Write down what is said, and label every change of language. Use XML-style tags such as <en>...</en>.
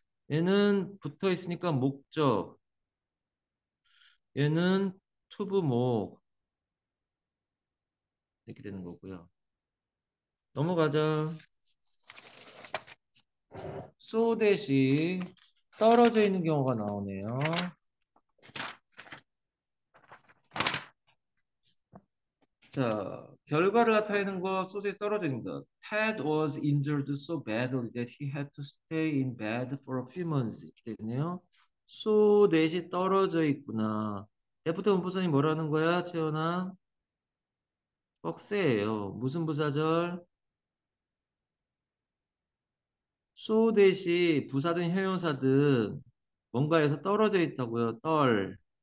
<ko>얘는 붙어 있으니까 목적. 얘는 투부목 이렇게 되는 거고요. 넘어가자. so 대시 떨어져 있는 경우가 나오네요. 자, 결과를 나타내는 거 소스에 떨어져 있는 거.</ko> <en>Ted was injured so badly that he had to stay in bed for a few months.</en> <ko>이랬네요. So 넷이 떨어져 있구나. 애프터 문법선이 뭐라는 거야, 채연아? 뻑새예요. 무슨 부사절? So 넷이 부사든 형용사든 뭔가에서 떨어져 있다고요. 떨.</ko>